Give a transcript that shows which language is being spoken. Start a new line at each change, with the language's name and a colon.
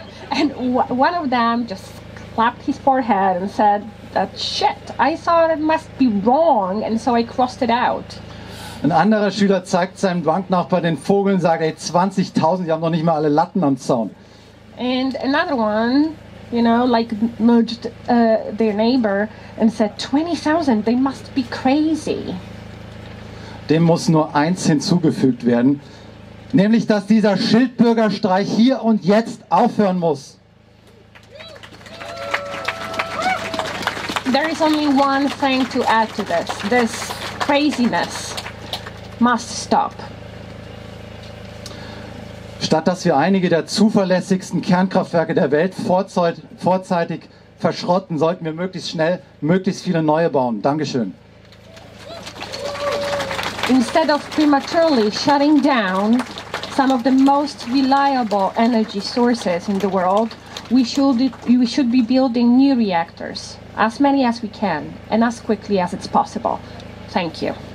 English: And one of them just clapped his forehead and said, that shit, I thought it must be wrong and so I crossed it out.
German: Ein anderer Schüler zeigt seinem Banknachbar den Vogel und sagt, ey, 20.000, die haben noch nicht mal alle Latten am Zaun.
English: And another one, you know, like nudged their neighbor and said, 20,000, they must be crazy.
German: Dem muss nur eins hinzugefügt werden, nämlich, dass dieser Schildbürgerstreich hier und jetzt aufhören muss.
English: There is only one thing to add to this. This craziness must stop.
German: Statt dass wir einige der zuverlässigsten Kernkraftwerke der Welt vorzeitig verschrotten, sollten wir möglichst schnell möglichst viele neue bauen. Dankeschön.
English: Instead of prematurely shutting down some of the most reliable energy sources in the world, we should be building new reactors, as many as we can, and as quickly as it's possible. Thank you.